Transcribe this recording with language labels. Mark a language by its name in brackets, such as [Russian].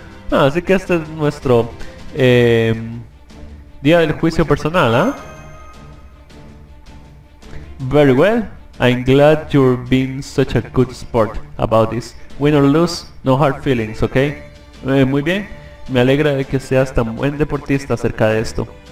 [Spanish] Ah, así que este es nuestro día del juicio personal, [English] Very well. I'm glad you're being such a good sport about this. Win or lose, no hard feelings, okay? [Spanish] Muy bien. Me alegra de que seas tan buen deportista acerca de esto.